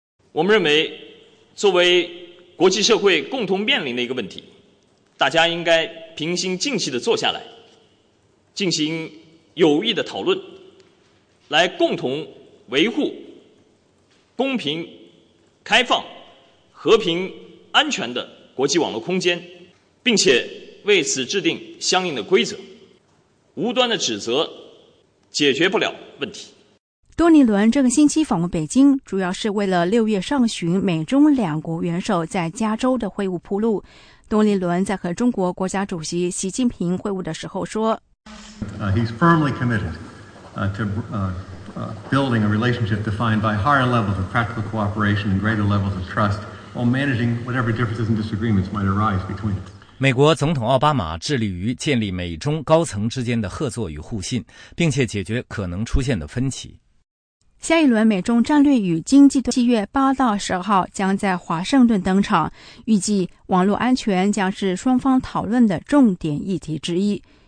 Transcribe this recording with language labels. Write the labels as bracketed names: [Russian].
[Chinese] 我们认为，作为国际社会共同面临的一个问题，大家应该平心静气地坐下来，进行有益的讨论，来共同维护公平、开放、和平、安全的国际网络空间，并且为此制定相应的规则。无端的指责解决不了问题。多尼伦这个星期访问北京，主要是为了6月上旬美中两国元首在加州的会晤铺路。多尼伦在和中国国家主席习近平会晤的时候说 [English] He's firmly committed to building a relationship defined by higher levels of practical cooperation and greater levels of trust while managing whatever differences and disagreements might arise between us. [Chinese] 美国总统奥巴马致力于建立美中高层之间的合作与互信，并且解决可能出现的分歧。下一轮美中战略与经济对话7月8到12号将在华盛顿登场，预计网络安全将是双方讨论的重点议题之一。